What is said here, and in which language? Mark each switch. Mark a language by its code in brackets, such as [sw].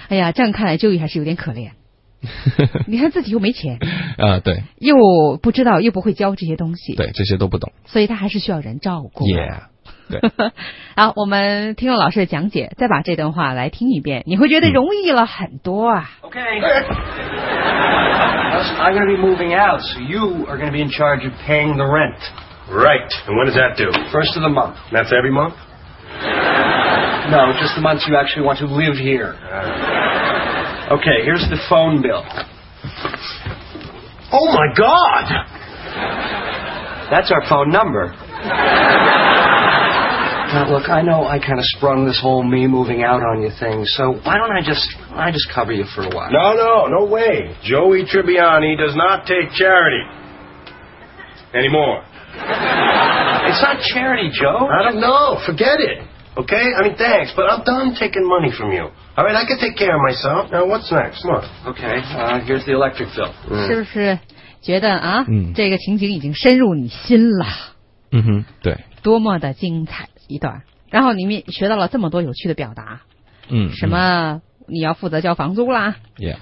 [zh] 哎呀，这样看来就业还是有点可怜。你看自己又没钱啊，对，又不知道又不会教这些东西，对，这些都不懂，所以他还是需要人照顾。 Yeah， 对。好，我们听了老师的讲解，再把这段话来听一遍，你会觉得容易了很多啊。 [en] Okay， I'm going to be moving out， so you are going to be in charge of paying the rent。 Right， and when does that do？ First of the month。 That's every month？ No， just the month you actually want to live here。 Okay, here's the phone bill. Oh my God! That's our phone number. Now look, I know I kind of sprung this whole me moving out on you thing, so why don't I just cover you for a while? No, no, no way. Joey Tribbiani does not take charity. Anymore. It's not charity, Joe. I don't know. Forget it. Okay? I mean, thanks, but I'm done taking money from you. All right, I can take care of myself. Now, what's next? Come on. Okay, here's the electric bill. [zh] 是不是觉得啊，这个情景已经深入你心了？嗯哼，对。多么的精彩一段，然后里面学到了这么多有趣的表达。什么你要负责交房租啦？ Yeah.